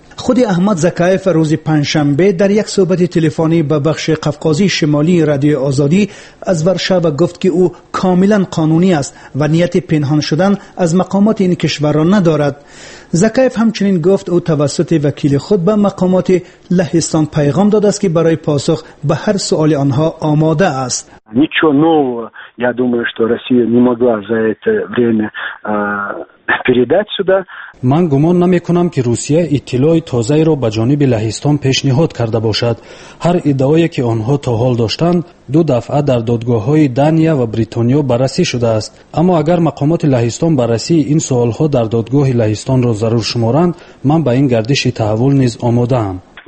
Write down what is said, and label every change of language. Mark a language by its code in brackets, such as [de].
[fa] خود احمد زکایف روز پنجشنبه در یک صحبت تلفنی به بخش قفقازی شمالی رادیو آزادی از ورشو گفت که او کاملا قانونی است و نیت پنهان شدن از مقامات این کشور را ندارد. زکایف همچنین گفت او توسط وکیل خود به مقامات لهستان پیغام داده است که برای پاسخ به هر سؤال آنها آماده است. [ru] نیچو نو یا думаю что Россия не могла за это время передать сюда. [fa] من گمان نمی کنم که روسیه اطلاعی تازه‌ای را به جانب لهستان پیشنهاد کرده باشد. هر ادعایی که آنها تا حال داشتند دو دفعه در دادگاه‌های دانیا و بریتانیا بررسی شده است. اما اگر مقامات لهستان بررسی این سوال‌ها در دادگاه لهستان را ضرور شمارند، من به این گردش تحول نیز آماده‌ام.